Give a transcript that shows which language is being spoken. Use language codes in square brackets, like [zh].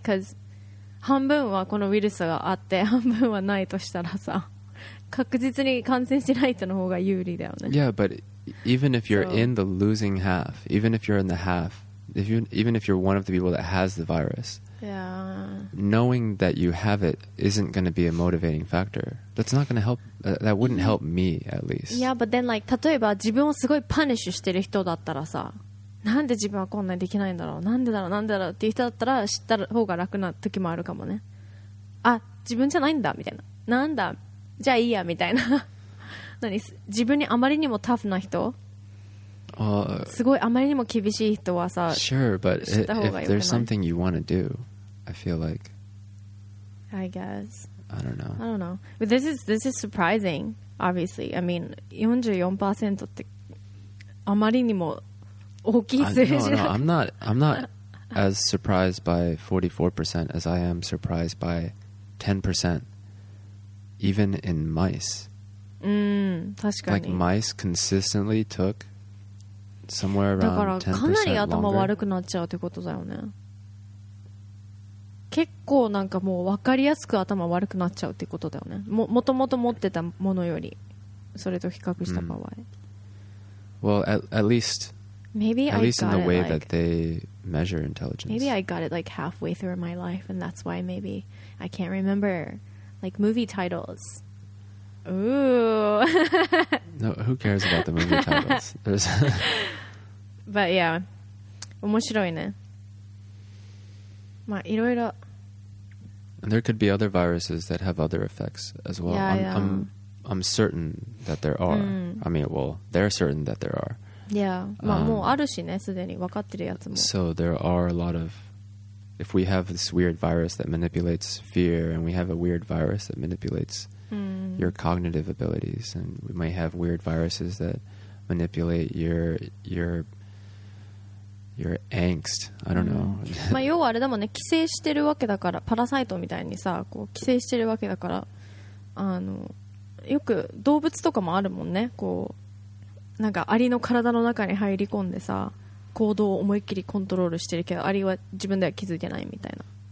[en] Because [ja] 半分はこのウイルスがあって、半分はないとしたらさ、確実に感染しない人の方が有利だよね。 [en] Yeah, but even if you're in the losing half, even if you're in the half, even if you're one of the people that has the virus, knowing that you have it isn't going to be a motivating factor. That's not going to help. That wouldn't help me, at least. Yeah, but then like, [ja] 例えば自分をすごいパニッシュしてる人だったらさ、なんで自分はこんなにできないんだろう、なんでだろう、なんでだろうって人だったら知った方が楽な時もあるかもね。あ、自分じゃないんだみたいな、なんだじゃあいいやみたいな。何、自分にあまりにもタフな人、すごいあまりにも厳しい人はさ、 [en] sure, but [ja] 知った方がよくない？ [en] If there's something you want to do, I feel like I guess I don't know but this is surprising, obviously. I mean 44% [ja] ってあまりにも大きい数字だ。 [en] No, I'm not as surprised by 44% as I am surprised by 10%, even in mice. [ja] うん、確かに。 [en] Like mice consistently took somewhere around [ja] だからかなり頭悪くなっちゃうってことだよね。結構なんかもう分かりやすく頭悪くなっちゃうってことだよね。もともと持ってたものよりそれと比較した場合。 Mm. [en] Well, at least maybe at least I got in the way it, that like, they measure intelligence. Maybe I got it like halfway through my life, and that's why maybe I can't remember like movie titles. Ooh. No, who cares about the movie titles? But yeah, [ja] 面白いね。まあいろいろ。 [en] And there could be other viruses that have other effects as well. Yeah, yeah. I'm certain that there are. Mm. I mean, well, they're certain that there are. Yeah, [ja] まあもうあるしね、すでに分かってるやつも。 [en] So there are a lot of, if we have this weird virus that manipulates fear, and we have a weird virus that manipulates your cognitive abilities, and we might have weird viruses that manipulate your angst. I don't know. [ja] まあ要はあれだもんね、寄生してるわけだから、パラサイトみたいにさ、こう寄生してるわけだから、あのよく動物とかもあるもんね、こう。なんかアリの体の中に入り込んでさ、行動を思いっきりコントロールしてるけど、アリは自分では気づいてないみたいな。